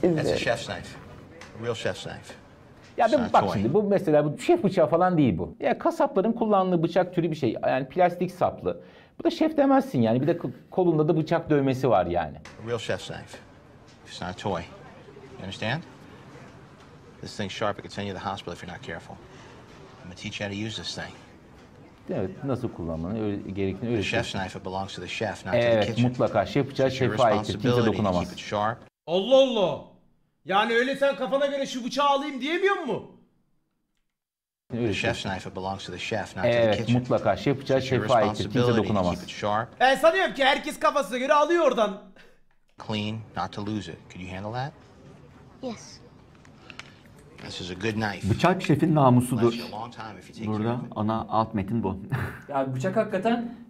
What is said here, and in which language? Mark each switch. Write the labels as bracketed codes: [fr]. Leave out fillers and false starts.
[en] That's a chef's knife. A real chef's knife. [tr] Ya ben, bak şimdi bu mesela bu şef bıçağı falan değil bu. Ya kasapların kullandığı bıçak türü bir şey. Yani plastik saplı. Bu da şef demezsin yani. Bir de kolunda da bıçak dövmesi var yani. [en] A real chef's knife. It's not a toy. You understand? This thing's sharp. It could send you to the hospital if you're not careful. I'm gonna teach you how to use this thing. [tr] Evet, nasıl kullanmanın gerektiğini öğretiyor. [en] Chef's knife belongs to the chef, not to the kitchen. [tr] Evet, mutlaka şef bıçağı şefe aittir. Kimse dokunamaz. Allah Allah. Yani öyle sen kafana göre şu bıçağı alayım diyemiyor mu? [en] The chef's knife belongs to the chef, not to the kitchen. [tr] Evet, mutlaka şef bıçağı şefe aittir. Kimse dokunamaz. Ben sanıyorum ki herkes kafasına göre alıyor oradan. [en] Clean, not to lose it. Could you handle that? Yes. This is a good knife. [tr] Bıçak şefin namusudur. Burada ana alt metin bu. Ya bıçak hakikaten...